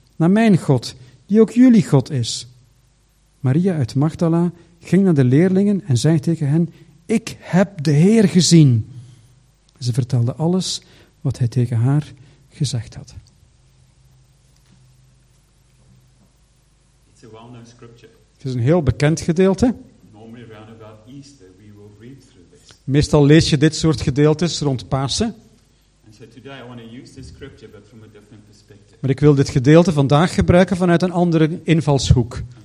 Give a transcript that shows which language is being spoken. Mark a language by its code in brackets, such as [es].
[nl] Naar mijn God, die ook jullie God is. Maria uit Magdala ging naar de leerlingen en zei tegen hen, ik heb de Heer gezien. Ze vertelde alles wat hij tegen haar gezegd had. [en] It's a well-known scripture. [nl] Het is een heel bekend gedeelte. [en] Normally around about Easter we will read through this. [nl] Meestal lees je dit soort gedeeltes rond Pasen. [en] And so today I want to use this scripture, but from a different perspective. [nl] Maar ik wil dit gedeelte vandaag gebruiken vanuit een andere invalshoek.